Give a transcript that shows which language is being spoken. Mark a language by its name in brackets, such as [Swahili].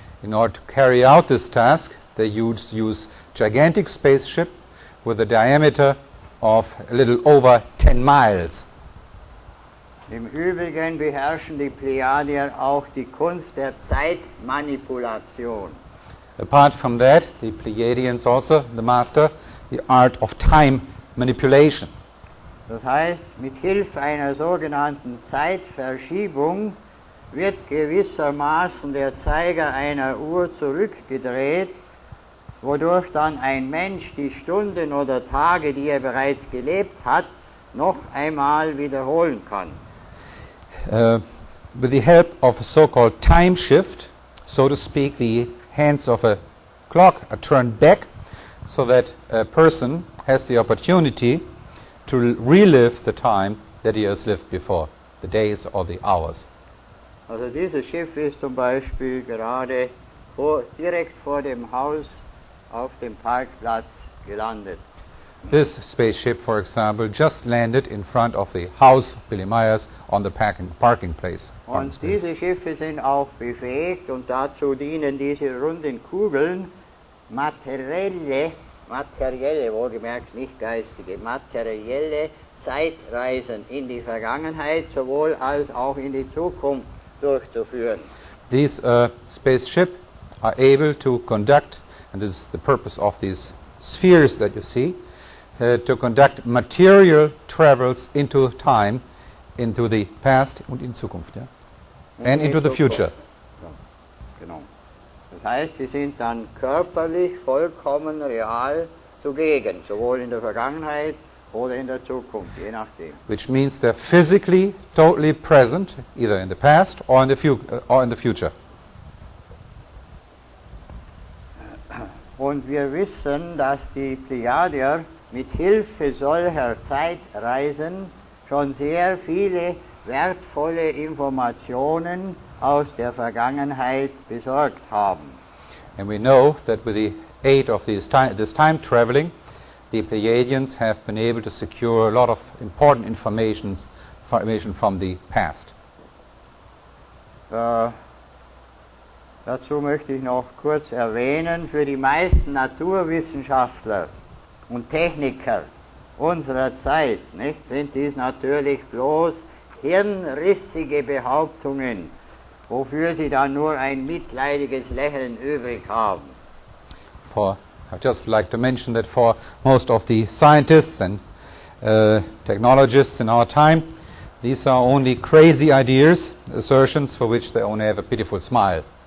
[English] In order to carry out this task, they use gigantic spaceship with a diameter of a little over 10 miles. [German] Im Übrigen beherrschen die Plejadier auch die Kunst der Zeitmanipulation. [English] Apart from that, the Pleiadians also, the master, the art of time manipulation. [German] Das heißt, mit Hilfe einer sogenannten Zeitverschiebung wird gewissermaßen der Zeiger einer Uhr zurückgedreht, wodurch dann ein Mensch die Stunden oder Tage, die er bereits gelebt hat, noch einmal wiederholen kann. [English] With the help of a so-called time shift, so to speak, the hands of a clock are turned back so that a person has the opportunity to relive the time that he has lived before, the days or the hours. [German] Also dieses Schiff ist zum Beispiel gerade direkt vor dem Haus auf dem Parkplatz gelandet. [English] This spaceship, for example, just landed in front of the house Billy Myers on the parking place. [German] Und diese Schiffe sind auch befähigt und dazu dienen diese runden Kugeln materielle, wohlgemerkt nicht geistige, materielle Zeitreisen in die Vergangenheit sowohl als auch in die Zukunft durchzuführen. [English] These spaceship are able to conduct, and this is the purpose of these spheres that you see, to conduct material travels into time, into the past [German] und in Zukunft, ja? [English] And into the future. [German] Genau. Das heißt, sie sind dann körperlich vollkommen real zugegen, sowohl in der Vergangenheit oder in der Zukunft, je nachdem. [English] Which means they're physically totally present, either in the past or in the future. [German] Und wir wissen, dass die Plejadier mit Hilfe solcher Zeitreisen schon sehr viele wertvolle Informationen aus der Vergangenheit besorgt haben. [English] And we know that with the aid of this time traveling, the Pleiadians have been able to secure a lot of important information from the past. [German] Dazu möchte ich noch kurz erwähnen, für die meisten Naturwissenschaftler und Techniker unserer Zeit, nicht, sind dies natürlich bloß hirnrissige Behauptungen, wofür sie dann nur ein mitleidiges Lächeln übrig haben. [English] I'd just like to mention that for most of the scientists and technologists in our time, these are only crazy ideas, assertions for which they only have a pitiful smile.